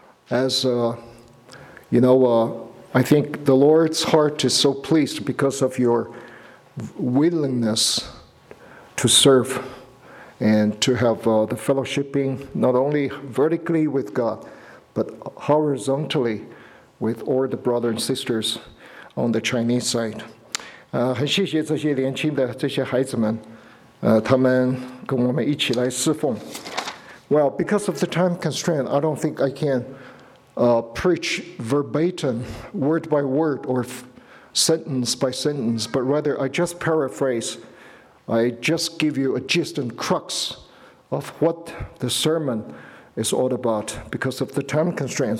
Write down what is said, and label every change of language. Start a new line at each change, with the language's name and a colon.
English: As you know, I think the Lord's heart is so pleased because of your willingness to serve and to have the fellowshipping not only vertically with God, but horizontally with all the brothers and sisters on the Chinese side.
Chinese: 很谢谢这些年轻的这些孩子们，他们跟我们一起来侍奉。
English: Well, because of the time constraint, I don't think I can preach verbatim, word by word, or sentence by sentence, but rather I just paraphrase, I just give you a gist and crux of what the sermon is all about because of the time constraint.